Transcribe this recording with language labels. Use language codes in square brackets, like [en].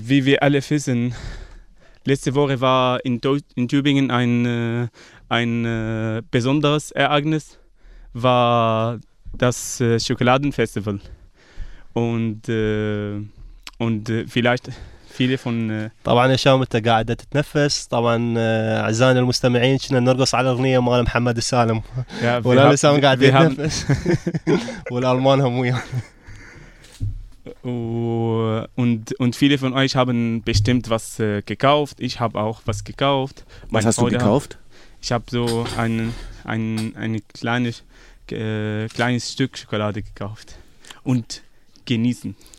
[de] wie wir alle wissen, letzte Woche war in Tübingen ein besonderes Ereignis, war das Schokoladenfestival. Und vielleicht viele von... [ar] طبعاً يا شام أنت قاعدة تتنفس طبعاً أعزائنا المستمعين كنا نرقص على أغنية مال محمد السالم ولا لسام قاعد يتنفس والألمان هم وياه [de] Und viele von euch haben bestimmt was gekauft. Ich habe auch was gekauft. Was hast du gekauft? Ich habe so ein kleines Stück Schokolade gekauft. Und genießen.